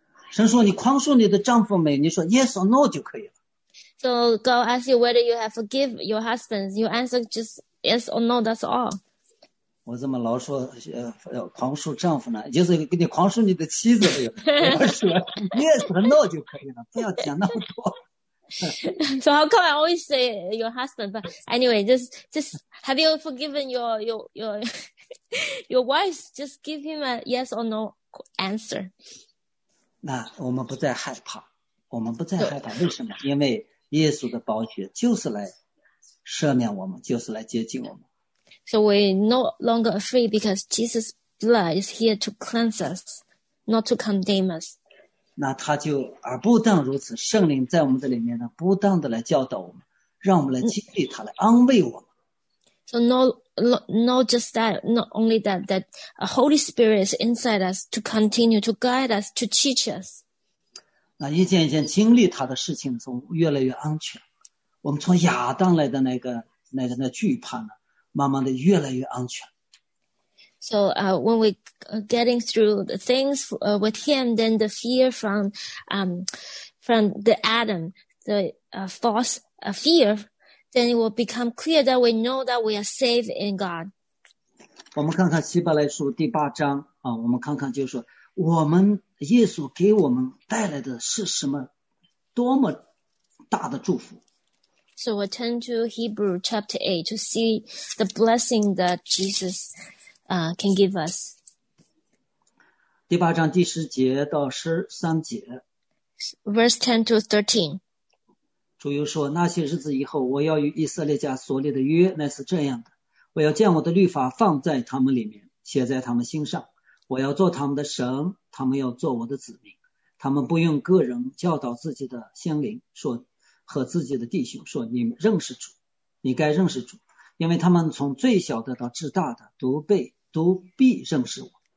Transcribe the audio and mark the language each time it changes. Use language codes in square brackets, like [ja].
[zh] 神说你宽恕你的丈夫没？你说 [en] yes or no [zh] 就可以了。 [en] So God asks you whether you have forgive your husband. You answer just yes or no, that's all. [zh] 我怎么老说宽恕丈夫呢？就是给你宽恕你的妻子没有？我说 [en] yes or no [zh] 就可以了，不要讲那么多。 [en] So how come I always say your husband? But anyway, just have you forgiven your wife? Just give him a yes or no answer. [zh] 那我们不再害怕，我们不再害怕，为什么？因为耶稣的宝血就是来赦免我们，就是来接近我们。 [en] So we're no longer afraid because Jesus' blood is here to cleanse us, not to condemn us. [zh] 那他就而不但如此，圣灵在我们的里面呢，不断的来教导我们，让我们来经历他，来安慰我们。 [en] So not only that, a Holy Spirit is inside us to continue to guide us, to teach us. [zh] 那一件一件经历他的事情中，越来越安全。我们从亚当来的那惧怕呢，慢慢的越来越安全。 [en] So when we getting through the things with him, then the fear from the Adam, the false fear, then it will become clear that we know that we are saved in God. [zh] 我们看看希伯来书第八章啊，我们看看就是说我们耶稣给我们带来的是什么，多么大的祝福。 [en] So we turn to Hebrew chapter 8 to see the blessing that Jesus can give us. [zh] 第八章第十节到十三节。 [en] Verse 10 to 13. [zh] 主又说，那些日子以后，我要与以色列家所立的约乃是这样的，我要将我的律法放在他们里面，写在他们心上，我要做他们的神，他们要做我的子民，他们不用个人教导自己的先灵说和自己的弟兄说，你认识主，你该认识主，因为他们从最小的到至大的都必认识我。